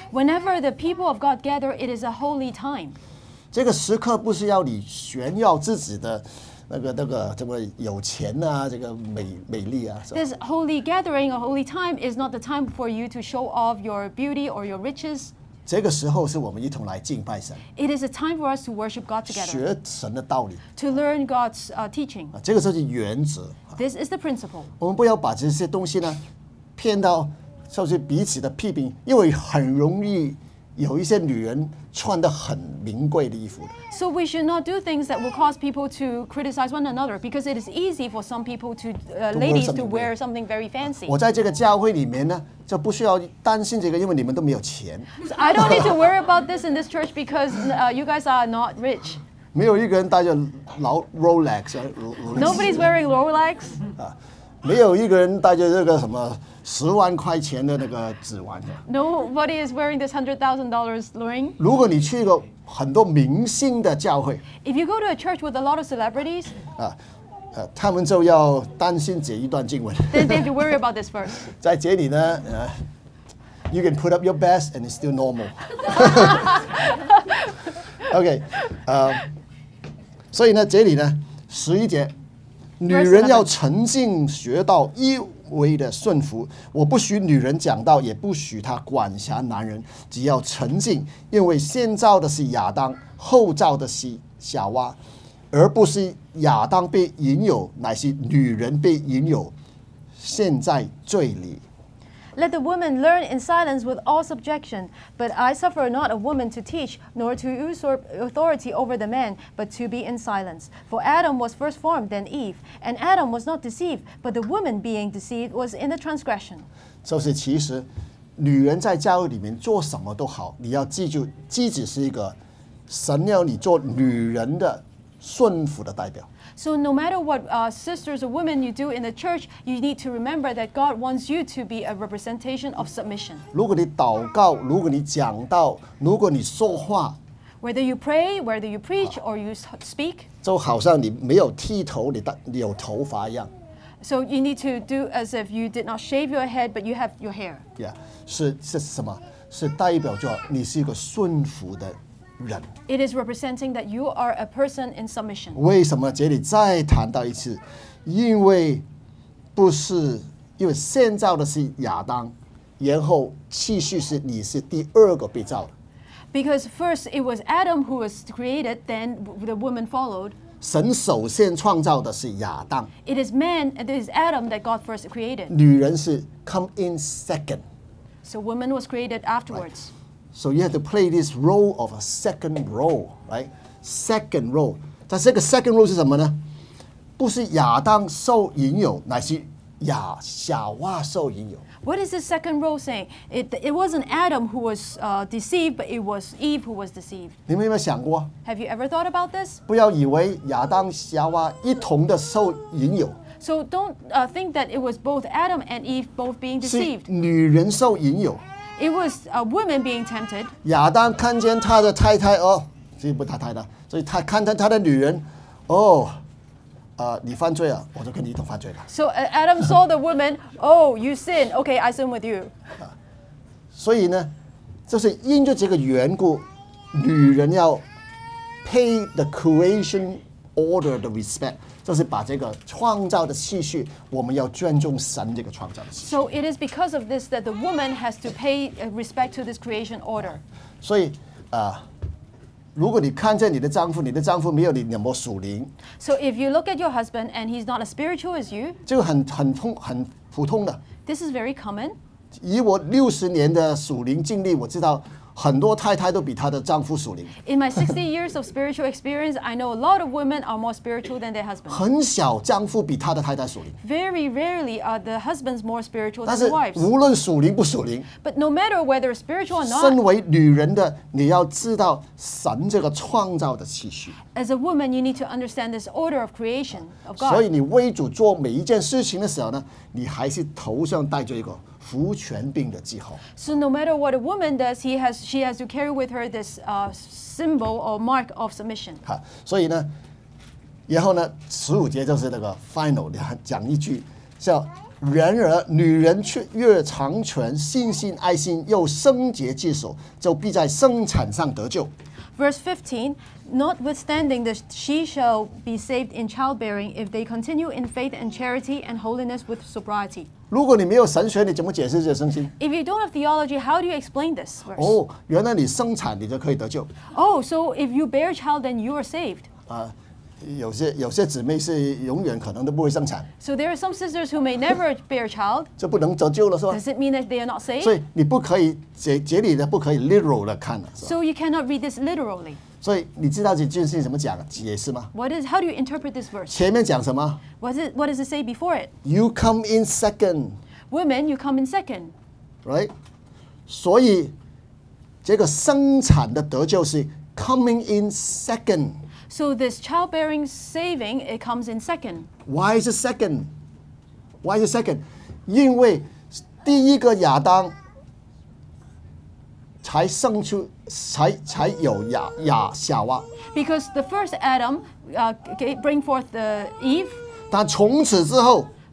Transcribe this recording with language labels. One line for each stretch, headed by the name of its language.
English: Whenever the people of God gather, it is a holy time.
Chinese: 这个时刻不是要你炫耀自己的那个这么有钱啊，这个美丽啊。
English: This holy gathering, a holy time, is not the time for you to show off your beauty or your riches.
Chinese: 这个时候是我们一同来敬拜神。
English: It is a time for us to worship God together.
Chinese: 学神的道理。
English: To learn God's teaching.
Chinese: 这个就是原则。
English: This is the principle.
Chinese: 我们不要把这些东西呢，骗到就是彼此的批评，因为很容易有一些女人穿得很名贵的衣服。
English: So we should not do things that will cause people to criticize one another, because it is easy for some people to ladies to wear something very fancy.
Chinese: 我在这个教会里面呢。就不需要担心这个，因为你们都没有钱。
English: So、I don't need to worry about this in this church because you guys are not rich.
Chinese: 没有一个人戴着劳 Rolex。
English: Nobody's wearing Rolex.
Chinese: 没有一个人戴着这个什么十万块钱的那个指环。
English: Nobody is wearing this $100,000 ring.
Chinese: 如果你去一个很多明星的教会
English: ，If you go to a church with a lot of celebrities.
Chinese: 他们就要担心这一段经文。
English: Then they have to worry about this verse.
Chinese: 在这里呢，
English: you can put up your best and it's still normal.
Chinese: okay, 所以呢，这里呢，十一节，女人要沉静学道，一味的顺服。我不许女人讲道，也不许她管辖男人，只要沉静，因为先造的是亚当，后造的是夏娃。而不是亚当被引诱，乃是女人被引诱，陷在罪里。
English: Let the woman learn in silence with all subjection, but I suffer not a woman to teach, nor to usurp authority over the man, but to be in silence. For Adam was first formed, then Eve, and Adam was not deceived, but the woman being deceived was in the transgression.
Chinese: 就是其实，女人在家里面做什么都好，你要记住，妻子是一个神要你做女人的。顺服的代表。
English: So no matter what sisters or women you do in the church, you need to remember that God wants you to be a representation of submission.
Chinese: 如果你祷告，如果你讲道，如果你说话
English: ，whether you pray, whether you preach or you speak，
Chinese: 就好像你没有剃头，你有头发一样。
English: So you need to do as if you did not shave your head, but you have your hair.
Chinese: Yeah， 是什么？是代表着你是一个顺服的。
English: It is representing that you are a person in submission.
Chinese: 为什么这里再谈到一次？因为不是，因为先造的是亚当，然后继续是你是第二个被造的。
English: Because first it was Adam who was created, then the woman followed.
Chinese: 神首先创造的是亚当。
English: It is man, it is Adam that God first created.
Chinese: 女人是
English: come in second. So woman was created afterwards. Right. So you have to play this role of a second role, right? Second role.
Chinese: 但这个
English: second role
Chinese: 是什么呢？不是亚当受引诱，乃是亚夏娃受引诱。
English: What is the second role saying? It wasn't Adam who was deceived, but it was Eve who was deceived.
Chinese: 你们有没有想过
English: ？Have you ever thought about this?
Chinese: 不要以为亚当夏娃一同的受引诱。
English: So don't think that it was both Adam and Eve both being deceived.
Chinese: 是女人受引诱。
English: It was a woman being tempted.
Chinese: 亚当看见他的太太哦，这不太太的，所以他看见他的女人，哦，你犯罪了，我就跟你一同犯罪了。
English: So Adam saw the woman. oh, you sin. Okay, I sin with you.
Chinese: 所以呢，就是因着这个缘故，女人要
English: pay the creation order the respect.
Chinese: 就是把这个创造的秩序，我们要尊重神这个创造的秩序。
English: So it is because of this that the woman has to pay respect to this creation order.
Chinese: 所以，如果你看见你的丈夫，你的丈夫没有你那么属灵。
English: So if you look at your husband and he's not as spiritual as you,
Chinese: 这个很普通的。
English: This is very common.
Chinese: 以我六十年的属灵经历，我知道。很多太太都比她的丈夫属灵。
English: In my 60 years of spiritual experience, I know a lot of women are more spiritual than their husbands.
Chinese: 很少丈夫比她的太太属灵。
English: Very rarely are the husbands more spiritual than the wives.
Chinese: 但是无论属灵不属灵。
English: But no matter whether spiritual or not.
Chinese: 身为女人的，你要知道神这个创造的秩序。
English: As a woman, you need to understand this order of creation of God.
Chinese: 所以你为主做每一件事情的时候呢，你还是头上戴着一个。服权柄的记号。
English: So no matter what a woman does, she has to carry with her this symbol or mark of submission.
Chinese: 所以呢，然后呢，十五节就是那个 final， 讲一句叫“然而女人却越长存信心、爱心，又圣洁之手，就必在生产上得救。”
English: Verse 15, notwithstanding that she shall be saved in childbearing if they continue in faith and charity and holiness with sobriety.
Chinese: 如果你没有神学，你怎么解释这圣经？
English: If you don't have theology, how do you explain this verse?
Chinese: 原来你生产你就可以得救。
English: Oh, so if you bear child, then you are saved.
Chinese: 有些姊妹是永远可能都不会生产。
English: So there are some sisters who may never bear child.
Chinese: 就不能得救了，是吧？
English: Does it mean that they are not saved?
Chinese: 所以你不可以这里的不可以 literal 的看了。
English: So you cannot read this literally.
Chinese: 所以你知道这句是怎么讲解释吗？
English: How do you interpret this verse?
Chinese: 前面讲什么？
English: What does it say before it? You come in second. Women, you come in second. Right?
Chinese: 所以这个生产的得救是
English: coming in second. So this childbearing saving, it comes in second. Why is it second? Why is it second?
Chinese: 因为第一个亚当才生出 才有亚夏娃。
English: Because the first Adam bring forth the Eve.
Chinese: 但从此之后